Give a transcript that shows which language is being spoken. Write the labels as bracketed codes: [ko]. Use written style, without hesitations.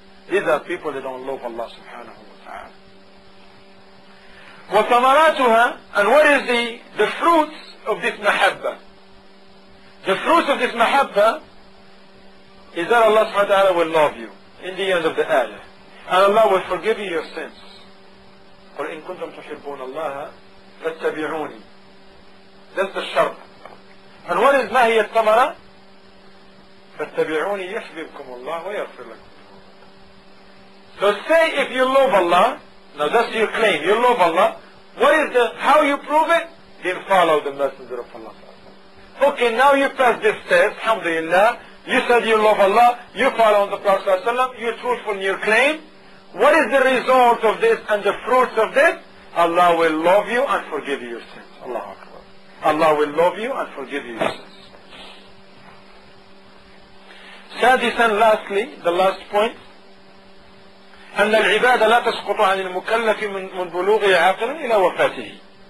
[en] These are people that don't love Allah subhanahu wa ta'ala. وَثَمَرَاتُهَا And what is the fruits of this mahabba? The fruits of this mahabba is that Allah subhanahu wa ta'ala will love you in the end of the ayah. And Allah will forgive you your sins. [ar] قُلْ إِن كُنْتُمْ تُحِبُّونَ اللَّهَ فَاتَّبِعُونِ [en] That's the sharp. And what is [ar] نهي الثمرة؟ فَاتَّبِعُونِ يَحْبِبْكُمُ اللَّهُ وَيَغْفِرْ لَكُمْ [en] So say if you love Allah, now that's your claim, you love Allah, what is the, how you prove it? Then follow the Messenger of Allah. Okay, now you pass this test, Alhamdulillah, you said you love Allah, you follow the Prophet ﷺ, you're truthful in your claim. What is the result of this and the fruits of this? Allah will love you and forgive you your sins. Allah Akbar. Allah will love you and forgive you your sins. [ar] Sadis [en] and lastly, the last point, [ar] أن العبادة لا تسقط عن المكلف من بلوغه عاقلا إلى وفاته.